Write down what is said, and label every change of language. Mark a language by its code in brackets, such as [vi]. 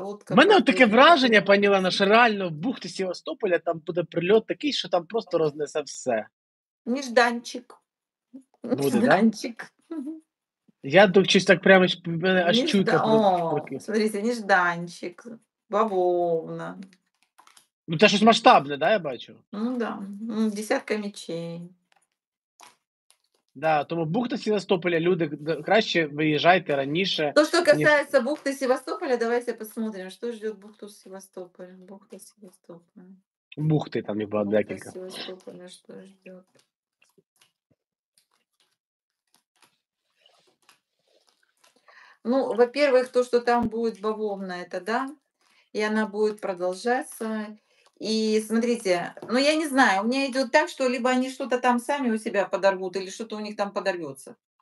[uk] У мене от таке враження, пані Лена, що реально в бухті Севастополя там буде прильот такий, що там просто рознесе все. Нежданчик. Буде, нежданчик. Я тут чусь так прямо аж чуйка. [ru] Смотрите, нежданчик, бавовна. [uk] Ну це щось масштабне, да, я бачу? Ну да, десятка мечей. Да, тому бухта Севастополя, люди, краще виїжджайте раніше. То, що касається бухти Севастополя, давайте подивимося, що чекає бухту Севастополя. Бухта Севастополя. Бухти там і була декілька. Бухта Севастополя, що чекає. Ну, [ru] во-первых, [uk] то, що там буде бавовна, це да, і вона буде продовжатися. [ru] И смотрите, ну я не знаю, у меня идет так, что либо они что-то там сами у себя подорвут, или что-то у них там подорвется.